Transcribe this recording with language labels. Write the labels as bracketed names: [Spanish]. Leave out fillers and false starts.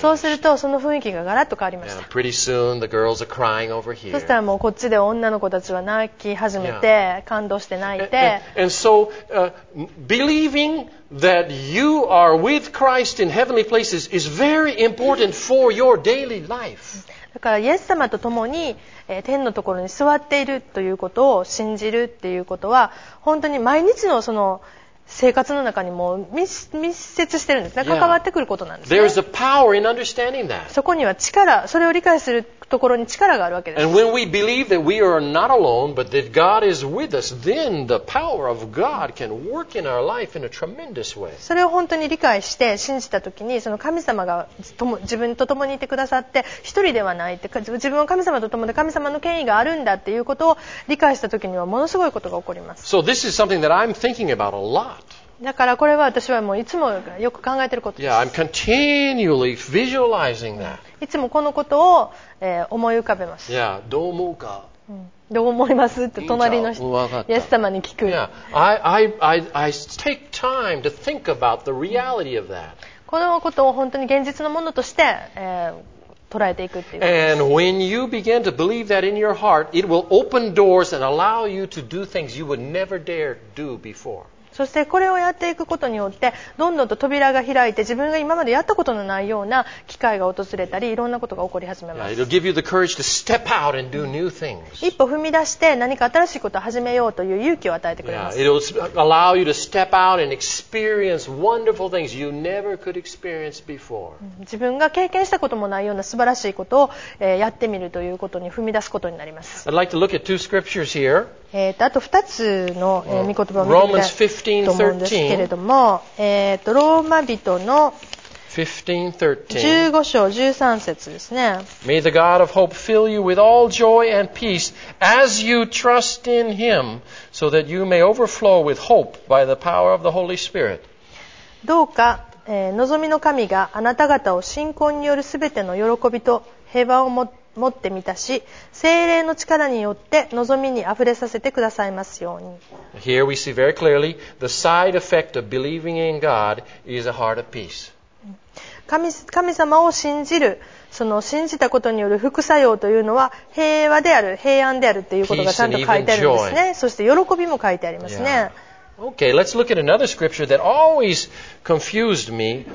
[Japanese] そうするとその雰囲気がガラッと変わりました。 [English] And pretty soon the girls are crying over here. [Japanese] そしたらもうこっちで女の子たちは泣き始めて、感動して泣いて。 [English] And so, believing that you are with Christ in heavenly places is very important for your daily life. [Japanese] だからイエス様と共に天のところに座っているということを信じるっていうことは本当に毎日のその生活の中にも密接してるんですね。関わってくることなんですね。 [English] There is a power in understanding that. [Japanese] そこには力、それを理解するところに力があるわけです。 [English] And when we believe that we are not alone, but that God is with us, then the power of God can work in our life in a tremendous way. [Japanese] それを本当に理解して信じたときに、その神様が自分と共にいてくださって、一人ではないって、自分は神様と共で神様の権威があるんだっていうことを理解したときには、ものすごいことが起こります。 [English] So this is something that I'm thinking about a lot. [Japanese] だからこれは私はもういつもよく考えていることです。 [English] Yeah, I'm continually visualizing that. [Japanese] いつもこのことを、思い浮かべます。 Yeah, どう思うか。どう思いますって隣の人、イエス様に聞く。 [English] Yeah, I take time to think about the reality of that. [Japanese] このことを本当に現実のものとして、捉えていくっていう。 [English] And when you begin to believe that in your heart, it will open doors and allow you to do things you would never dare do before. [Japanese] そしてこれをやっていくことによってどんどんと扉が開いて自分が今までやったことのないような機会が訪れたりいろんなことが起こり始めます。 [English] It'll give you the courage to step out and do new things. [Japanese] 一歩踏み出して何か新しいことを始めようという勇気を与えてくれます。 [English] It'll allow you to step out and experience wonderful things you never could experience before. [Japanese] 自分が経験したこともないような素晴らしいことをやってみるということに踏み出すことになります。 [English] I'd like to look at two scriptures here. [Japanese] あと2つの御言葉を見てみたいと思うんですけれども、ローマ人の15章13節ですね。 [English] May the God of hope fill you with all joy and peace as you trust in him, so that you may overflow with hope by the power of the Holy Spirit. [Japanese] どうか、望みの神があなた方を信仰によるすべての喜びと平和を持って満たし、聖霊の力によって望みにあふれさせてくださいますように。 [English] Here we see very clearly the side effect of believing in God is a heart of peace. [Japanese] 神様を信じる、その信じたことによる副作用というのは平和である、平安であるということがちゃんと書いてあるんですね。そして喜びも書いてありますね。 [English] Yeah. Okay, let's look at another scripture that always confused me.